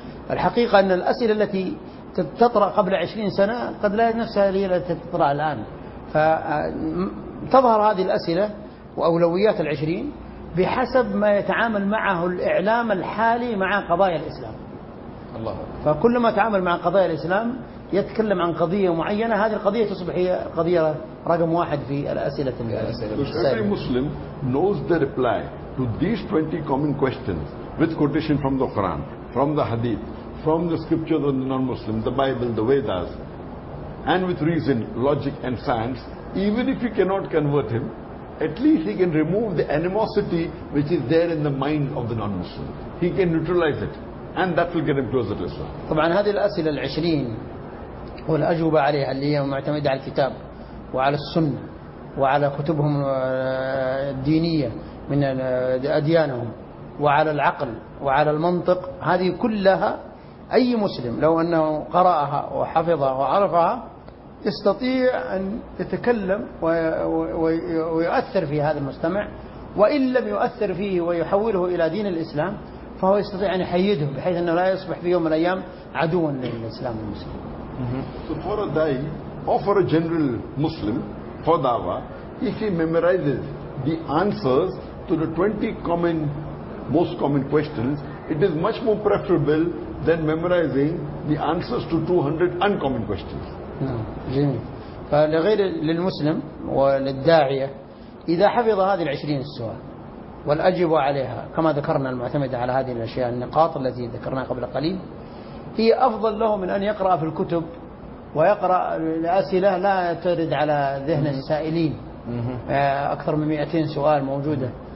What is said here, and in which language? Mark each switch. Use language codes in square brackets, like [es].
[ar] الحقيقة أن الأسئلة التي تطرأ قبل 20 سنة قد لا نفسها هي التي تطرأ الآن، فتظهر هذه الأسئلة وأولويات 20 بحسب ما يتعامل معه الإعلام الحالي مع قضايا الإسلام. الله. فكلما تعامل مع قضايا الإسلام يتكلم عن قضية معينة، هذه القضية تصبح هي قضية رقم 1 في الأسئلة. [en] Every Muslim knows the reply to these 20 common questions with quotation from the Quran, from the Hadith, from the scriptures of the non-Muslim, the Bible, the Vedas, and with reason, logic and science. Even if you cannot convert him, at least he can remove the animosity which is there in the mind of the non-Muslim. He can neutralize it, and that will get him closer to Islam. [ar] طبعا هذه الأسئلة 20 والأجوبة عليها اللي هي معتمدة على الكتاب وعلى السنة وعلى كتبهم الدينية من أديانهم وعلى العقل وعلى المنطق، هذه كلها أي مسلم لو أنه قرأها وحفظها وعرفها يستطيع أن يتكلم ويؤثر في هذا المستمع، وإن لم يؤثر فيه ويحوله إلى دين الإسلام فهو يستطيع أن يحيده بحيث أنه لا يصبح في يوم من الأيام عدوا للإسلام المسلم. [en] So for a da'i or for a general Muslim for da'wah, if he memorizes the answers to the 20 common, most common questions, it is much more preferable than memorizing the answers to 200 uncommon questions. [ar] جميل. فلغير للمسلم وللداعية إذا حفظ هذه العشرين السؤال والأجب عليها كما ذكرنا المعتمدة على هذه الأشياء النقاط التي ذكرناها قبل قليل هي أفضل له من أن يقرأ في الكتب ويقرأ الأسئلة لا ترد على ذهن السائلين أكثر من 200 سؤال موجودة.